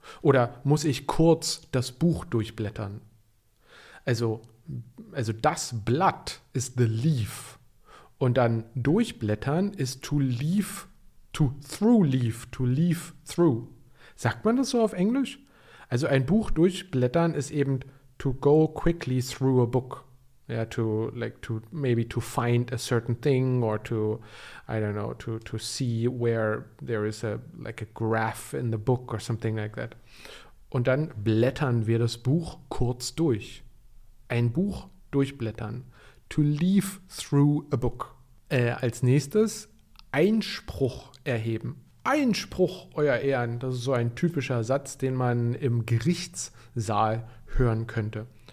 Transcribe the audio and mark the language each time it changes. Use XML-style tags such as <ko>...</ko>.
<de>Oder muss ich kurz das Buch durchblättern. Also das Blatt ist</de> <en>the leaf.</en> <de>Und dann durchblättern ist</de> <en>to leaf through.</en> <de>Sagt man das so auf Englisch? Also ein Buch durchblättern ist eben</de> <en>to go quickly through a book. Ja, to find a certain thing or to see where there is a graph in the book or something like that.</en> <de>Und dann blättern wir das Buch kurz durch. Ein Buch durchblättern.</de> <en>To leaf through a book.</en> <de>Als nächstes Einspruch erheben. Einspruch, euer Ehren. Das ist so ein typischer Satz, den man im Gerichtssaal hören könnte.</de>